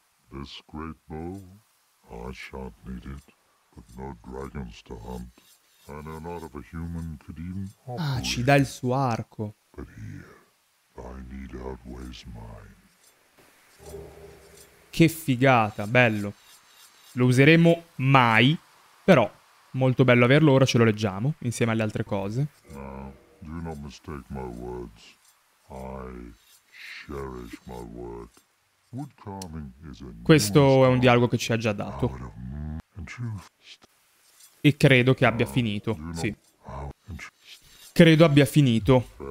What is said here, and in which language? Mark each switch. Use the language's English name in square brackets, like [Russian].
[English] This great bow, I shan't need it, but no dragons to hunt. I know not if a human could even operate. [Italian] Ah, ci dà il suo arco. [English] But here, thy need outweighs mine. [Italian] Che figata, bello. Lo useremo mai, però molto bello averlo, ora ce lo leggiamo insieme alle altre cose. [English] No, do not mistake my words. I cherish my work. Wood carving is a... [Italian] Questo è un dialogo che ci ha già dato. E credo che abbia finito, sì. Credo abbia finito.